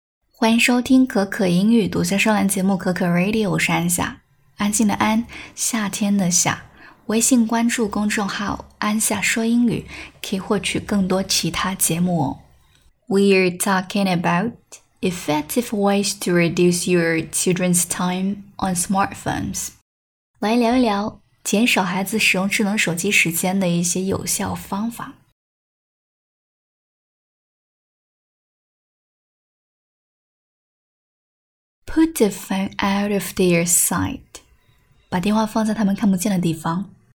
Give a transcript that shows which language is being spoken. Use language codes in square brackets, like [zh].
[zh] 欢迎收听可可英语独家专栏节目可可 Radio， 我是安夏，安静的安，夏天的夏。微信关注公众号安夏说英语，可以获取更多其他节目哦。 [en] We're talking about effective ways to reduce your children's time on smartphones. [zh] 来聊一聊减少孩子使用智能手机时间的一些有效方法。 [en] Put the phone out of their sight. [zh] 把电话放在他们看不见的地方。